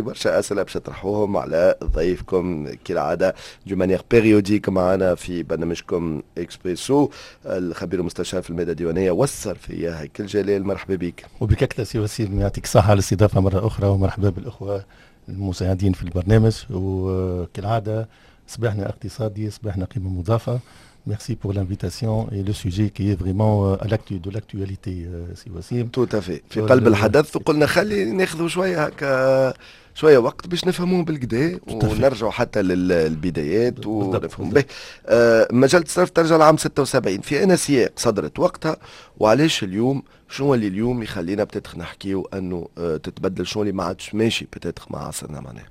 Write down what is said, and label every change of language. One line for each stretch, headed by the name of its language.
Arabic: برشا أسئلة باش تطرحوهم على ضيفكم كالعادة دو مانيير بيريوديك معنا في برنامجكم إكسبريسو، الخبير المستشار في المادة الديوانية والصرفية هيكل جلال، مرحبا بك. وبكاكتا سي وسيم، يعطيك صحة على الاستضافة مرة أخرى، ومرحبا بالأخوة المساعدين في البرنامج، وكالعادة صباحنا اقتصادي، صباحنا قيمة مضافة.
French: Merci pour l'invitation et le sujet qui est vraiment à l'actu de l'actualité si Wassim. Tout à fait.
Arabic: في قلب الحدث وقلنا خلي ناخذ شوية هكا شوية وقت باش نفهموا بالقدا ونرجعوا حتى للبدايات ونفهم به. مجال الصرف ترجع لعام 76، في أنا سياق صدرت وقتها وعلاش اليوم، شنو اللي اليوم يخلينا بتتخ نحكي وأنه تتبدل، شنو اللي ما عادش ماشي بتتخ مع عصرنا معناه.